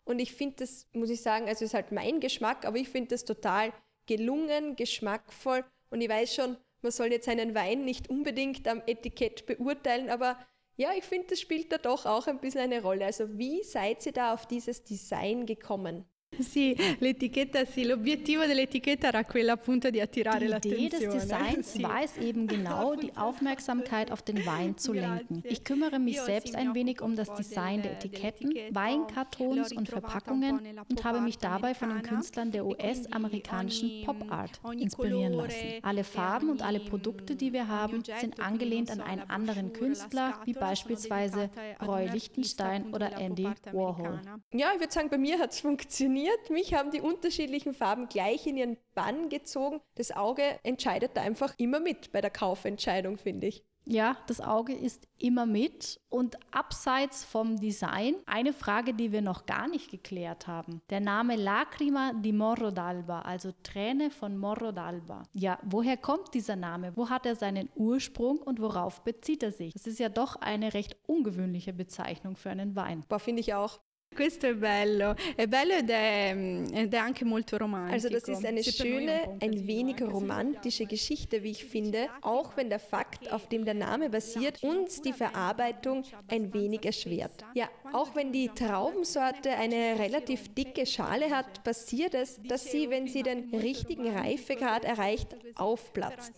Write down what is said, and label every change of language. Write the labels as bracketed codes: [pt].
[de] Und ich finde das, muss ich sagen, also ist halt mein Geschmack, aber ich finde das total gelungen, geschmackvoll. Und ich weiß schon, man soll jetzt einen Wein nicht unbedingt am Etikett beurteilen, aber ja, ich finde, das spielt da doch auch ein bisschen eine Rolle. Also, wie seid ihr da auf dieses Design gekommen? [it] Sì, l'etichetta, sì, l'obiettivo dell'etichetta era quello appunto di attirare l'attenzione. [de] Die Idee des Designs war es eben genau, die Aufmerksamkeit auf den Wein zu lenken. Ich kümmere mich selbst ein wenig um das Design der Etiketten, Weinkartons und Verpackungen und habe mich dabei von den Künstlern der US-amerikanischen Pop-Art inspirieren lassen. Alle Farben und alle Produkte, die wir haben, sind angelehnt an einen anderen Künstler, wie beispielsweise Roy Lichtenstein oder Andy Warhol. Ja, ich würde sagen, bei mir hat es funktioniert. Mich haben die unterschiedlichen Farben gleich in ihren Bann gezogen. Das Auge entscheidet da einfach immer mit bei der Kaufentscheidung, finde ich. Ja, das Auge ist immer mit. Und abseits vom Design, eine Frage, die wir noch gar nicht geklärt haben. Der Name Lacrima di Morro d'Alba, also Träne von Morro d'Alba. Ja, woher kommt dieser Name? Wo hat er seinen Ursprung und worauf bezieht er sich? Das ist ja doch eine recht ungewöhnliche Bezeichnung für einen Wein. Boah, finde ich auch. [it] Questo è bello ed è anche molto romantico. [de] Also das ist eine schöne, ein wenig romantische Geschichte, wie ich finde, auch wenn der Fakt, auf dem der Name basiert, uns die Verarbeitung ein wenig erschwert. Ja, auch wenn die Traubensorte eine relativ dicke Schale hat, passiert es, dass sie, wenn sie den richtigen Reifegrad erreicht, aufplatzt.